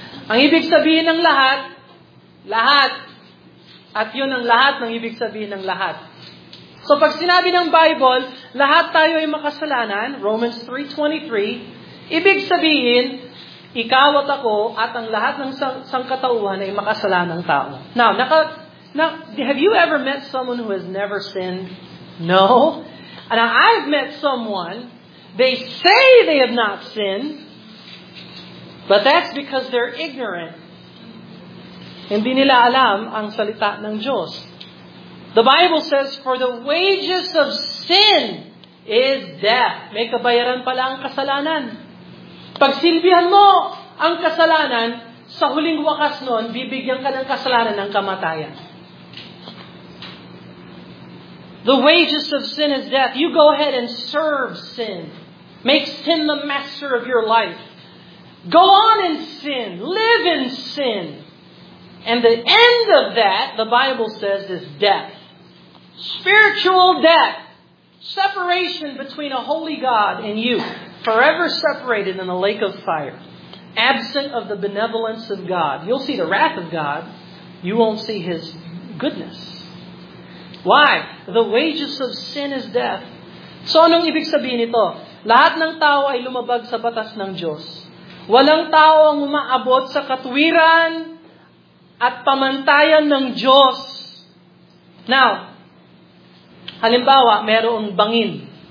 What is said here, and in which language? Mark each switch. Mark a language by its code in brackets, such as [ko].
[tl] Ang ibig sabihin ng lahat, lahat. At yun ang lahat ng ibig sabihin ng lahat. So pag sinabi ng Bible, lahat tayo ay makasalanan, Romans 3:23, ibig sabihin, ikaw at ako at ang lahat ng sangkatauhan ay makasalanang tao. [en] Now, have you ever met someone who has never sinned? No. And I've met someone, they say they have not sinned, but that's because they're ignorant. [tl] Hindi nila alam ang salita ng Diyos. [en] The Bible says, for the wages of sin is death. [tl] May kabayaran pala ang kasalanan. Pagsilbihan mo ang kasalanan, sa huling wakas nun, bibigyan ka ng kasalanan ng kamatayan. [en] The wages of sin is death. You go ahead and serve sin. Make sin the master of your life. Go on in sin. Live in sin. And the end of that, the Bible says, is death. Spiritual death. Separation between a holy God and you. Forever separated in the lake of fire. Absent of the benevolence of God. You'll see the wrath of God. You won't see His goodness. Why? The wages of sin is death. [tl] So anong ibig sabihin ito? Lahat ng tao ay lumabag sa batas ng Diyos. Walang tao ang umaabot sa katwiran at pamantayan ng Diyos. Now, halimbawa, mayroong bangin.